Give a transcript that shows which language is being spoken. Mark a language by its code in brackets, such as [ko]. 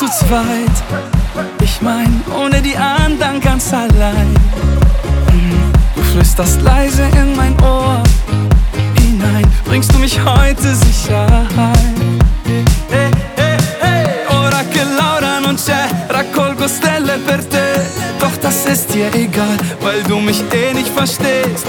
[de] Weit. Ich mein, ohne die anderen ganz allein. Du flüsterst leise in mein Ohr hinein, bringst du mich heute sicher heim. Hey, hey, hey. [it] Ora che Laura non c'è, raccolgo stelle per te. [de] Doch das ist dir egal, weil du mich eh nicht verstehst.